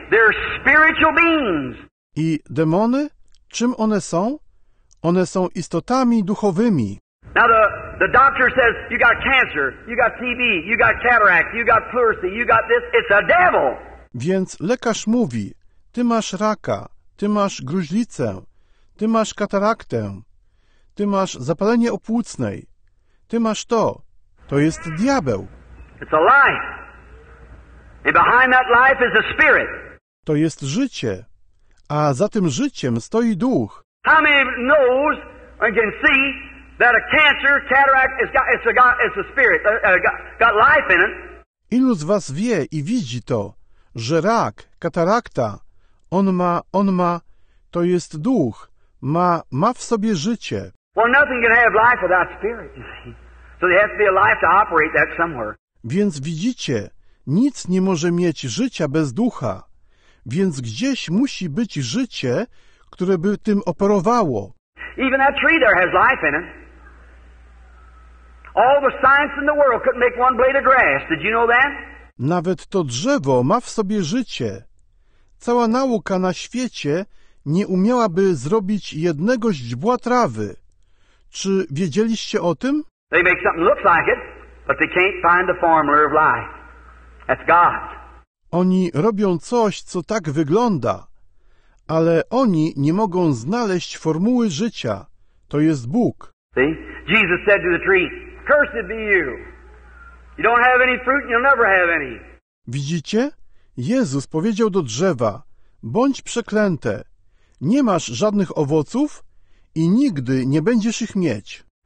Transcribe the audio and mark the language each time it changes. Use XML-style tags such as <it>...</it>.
<en>They're spiritual beings.</en> <pl>I demony? Czym one są? One są istotami duchowymi.</pl> <en>Now the doctor says you got cancer, you got TB, you got cataract, you got pleurisy, you got this. It's a devil.</en> <pl>Więc lekarz mówi, ty masz raka, ty masz gruźlicę, ty masz kataraktę, ty masz zapalenie opłucnej, ty masz to. To jest diabeł.</pl> <en>It's a life. And behind that life is a spirit.</en> <pl>To jest życie. A za tym życiem stoi duch.</pl> <en>How many knows and can see that a cancer, cataract, it's a spirit, got life in it?</en> <pl>Ilu z was wie i widzi to, że rak, katarakta, on ma, to jest duch, ma w sobie życie.</pl> <en>Well, nothing can have life without spirit, you see. So there has to be a life to operate that somewhere.</en> <pl>Więc widzicie, nic nie może mieć życia bez ducha. Więc gdzieś musi być życie, które by tym operowało.</pl> <en>Even that tree there has life in it. All the science in the world couldn't make one blade of grass. Did you know that?</en> <pl>Nawet to drzewo ma w sobie życie. Cała nauka na świecie nie umiałaby zrobić jednego źdźbła trawy. Czy wiedzieliście o tym?</pl> <en>They make something look like it, but they can't find the formula of life. That's God.</en> <pl>Oni robią coś, co tak wygląda, ale oni nie mogą znaleźć formuły życia. To jest Bóg.</pl> <en>See? Jesus said to the tree, "Cursed be you. You don't have any fruit and you'll never have any."</en> <pl>Widzicie? Jezus powiedział do drzewa, bądź przeklęte, nie masz żadnych owoców i nigdy nie będziesz ich mieć.</pl>